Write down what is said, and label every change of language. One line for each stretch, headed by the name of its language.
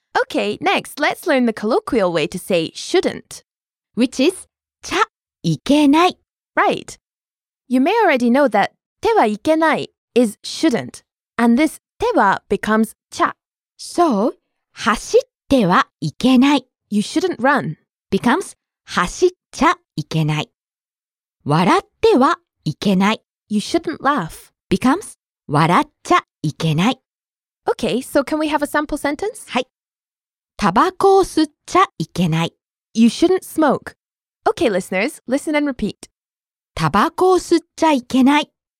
English: Okay, next, let's learn the colloquial way to say shouldn't. Which is ちゃいけない. Right. You may already know that 手はいけない is shouldn't. And this 手は becomes ちゃ.
Japanese: So, 走ってはいけない.
English: You shouldn't run. Becomes
Japanese: 走っちゃいけない. 笑ってはいけない.
English: You shouldn't laugh. Becomes
Japanese: 笑っちゃいけない.
English: Okay, so can we have a sample sentence?
Japanese: はい。タバコを吸っちゃいけない.
English: You shouldn't smoke. Okay, listeners, listen and repeat.
Japanese: タバコを吸っちゃいけない。